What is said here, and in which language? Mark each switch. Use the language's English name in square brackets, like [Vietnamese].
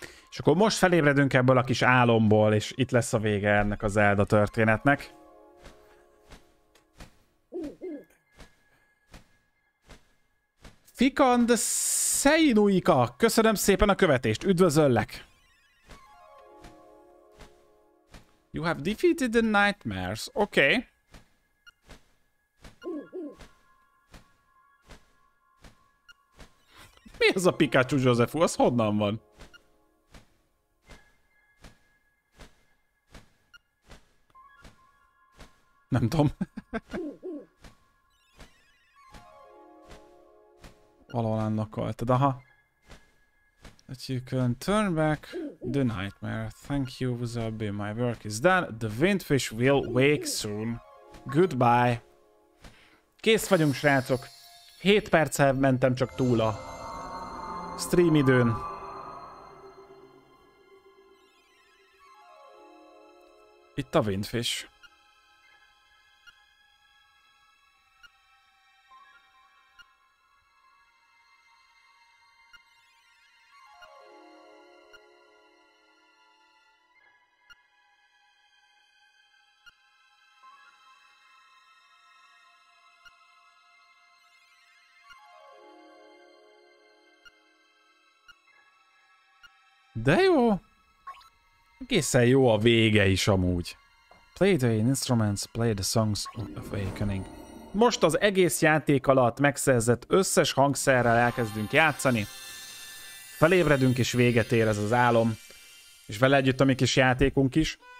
[Hungarian] És akkor most felébredünk ebből a kis álomból, és itt lesz a vége ennek a Zelda történetnek. Fikand Seinuika, köszönöm szépen a követést, üdvözöllek! [English] You have defeated the nightmares, okay. [Hungarian] Mi az a Pikachu Josephu, az honnan van? Nem tudom. Valahol unlockoltad, aha. [English] That you can turn back the nightmare. Thank you, Zabi. My work is done. The windfish will wake soon. Goodbye. [Hungarian] Kész vagyunk, srácok. 7 perccel mentem csak túl a stream időn. Itt a windfish. De jó! Egészen jó a vége is amúgy. [English] Play the instruments, play the songs of awakening. [Hungarian] Most az egész játék alatt megszerzett összes hangszerrel elkezdünk játszani. Felébredünk és véget ér ez az álom. És vele együtt a mi kis játékunk is.